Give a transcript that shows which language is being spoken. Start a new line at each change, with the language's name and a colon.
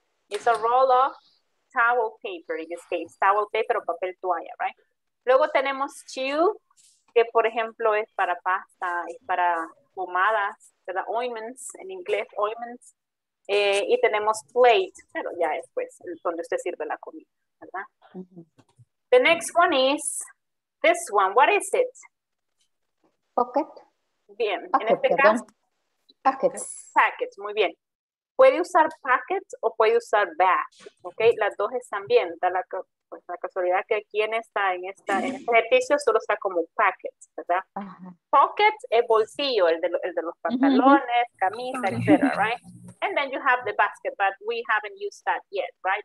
English: It's a roll of towel paper, in this case, towel paper
Spanish: o papel toalla,
English: right?
Spanish: Luego tenemos chew, que por ejemplo es para pasta, es para pomadas, ¿verdad? Ointments, en inglés, ointments. Y tenemos plate, pero ya es pues donde usted sirve la comida, ¿verdad?
English: The next one is this one. What is it? Pocket.
Spanish: Bien. Packet, en este caso,
English: packets.
Spanish: Packets, muy bien. puede usar packets o puede usar bag, ¿ok? Las dos están bien, da la, pues, la casualidad que aquí en esta, en esta, en este ejercicio solo está como packets, ¿verdad? Pockets es bolsillo, el de los pantalones, camisa, etcétera, right?
English: And then you have the basket, but we haven't used that yet, right?